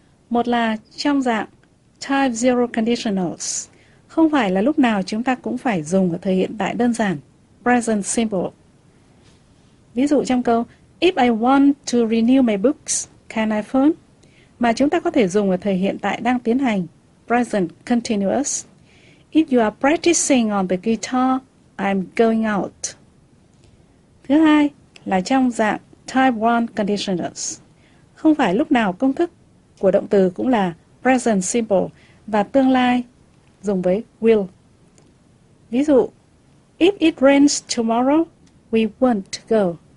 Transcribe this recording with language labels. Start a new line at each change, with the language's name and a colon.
Vietnamese: Một là trong dạng type zero conditionals, không phải là lúc nào chúng ta cũng phải dùng ở thời hiện tại đơn giản, present simple. Ví dụ trong câu
English: If I want to renew my books, can I phone?
Vietnamese: Mà chúng ta có thể dùng ở thời hiện tại đang tiến hành, present continuous.
English: If you are practicing on the guitar, I'm going out.
Vietnamese: Thứ hai là trong dạng type 1 conditionals. Không phải lúc nào công thức của động từ cũng là present simple và tương lai dùng với will. Ví dụ,
English: if it rains tomorrow, we won't go.